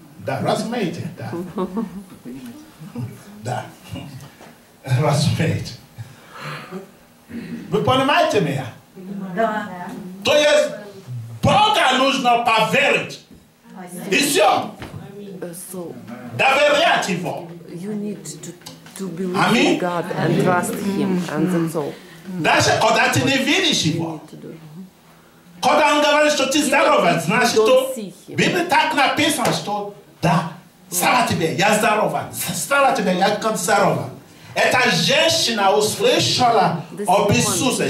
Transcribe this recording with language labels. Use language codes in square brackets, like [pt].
[ru] Да, разумеете, да. Да, разуметь. Вы понимаете меня? Да. То есть, Бога нужно поверить. И все. Доверять Его. [en] You need to believe in God and trust Him. And that's all. [ru] Даже когда ты не видишь Его. Когда Он говорит, что ты здоров, значит, что Библия так написана, что да, Сара тебе, я здорова. Сара тебе, я как здорова. Эта женщина услышала об Иисусе.